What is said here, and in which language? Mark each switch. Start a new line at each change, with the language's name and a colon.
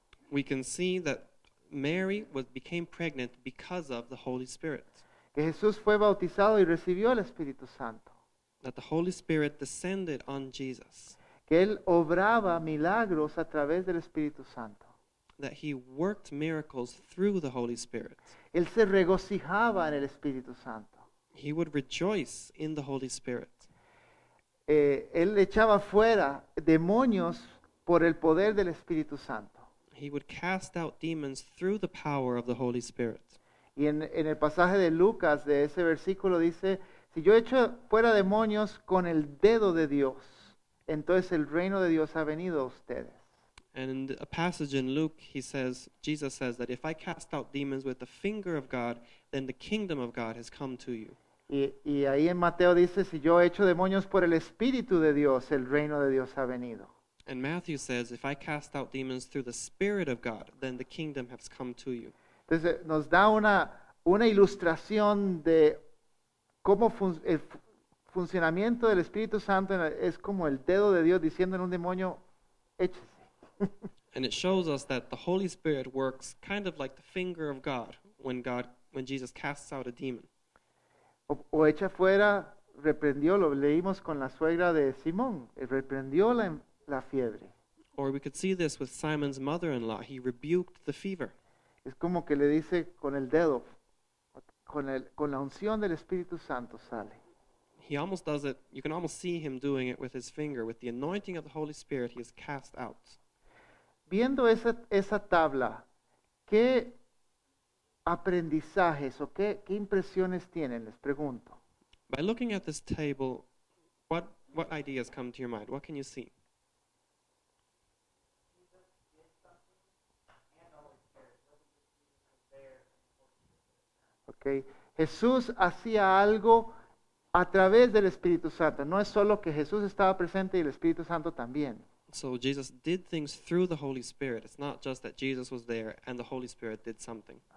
English: We can see that Mary became pregnant because of the Holy Spirit.
Spanish: Que Jesús fue bautizado y recibió el Espíritu Santo.
English: That the Holy Spirit descended on Jesus.
Spanish: Que él obraba milagros a través del Espíritu Santo.
English: That he worked miracles through the Holy Spirit.
Spanish: Él se regocijaba en el Espíritu Santo.
English: He would rejoice in the Holy Spirit.
Spanish: Él echaba fuera demonios por el poder del Espíritu Santo.
English: He would cast out demons through the power of the Holy Spirit.
Spanish: Y en el pasaje de Lucas de ese versículo dice, si yo echo fuera demonios con el dedo de Dios, entonces el reino de Dios ha venido a ustedes.
English: And a passage in Luke, he says, Jesus says that if I cast out demons with the finger of God, then the kingdom of God has come to you.
Spanish: Y ahí en Mateo dice, si yo echo demonios por el Espíritu de Dios, el reino de Dios ha venido.
English: And Matthew says, if I cast out demons through the Spirit of God, then the kingdom has come to you.
Spanish: Entonces nos da una ilustración de cómo el funcionamiento del Espíritu Santo es como el dedo de Dios diciendo en un demonio, échese.
English: And it shows us that the Holy Spirit works kind of like the finger of God when Jesus casts out a demon.
Spanish: O echa fuera, reprendió, lo leímos con la suegra de Simón, reprendió la fiebre.
English: Or we could see this with Simon's mother-in-law, he rebuked the fever.
Spanish: Es como que le dice con el dedo, con la unción del Espíritu Santo sale.
English: He almost does it, you can almost see him doing it with his finger, with the anointing of the Holy Spirit he has cast out.
Spanish: Viendo esa tabla, ¿qué aprendizajes o qué impresiones tienen? Les pregunto.
English: By looking at this table, what ideas come to your mind? What can you see? Okay.
Spanish: Jesús hacía algo a través del Espíritu Santo. No es solo que Jesús estaba presente y el Espíritu Santo también.
English: So Jesus did things through the Holy Spirit. It's not just that Jesus was there and the Holy Spirit did something.